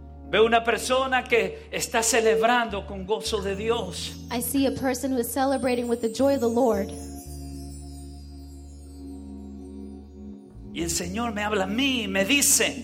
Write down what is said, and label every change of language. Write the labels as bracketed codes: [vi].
[es] Veo una persona que está celebrando con gozo de Dios. [en] I see a person who is celebrating with the joy of the Lord. [es] Y el Señor me habla a mí y me dice.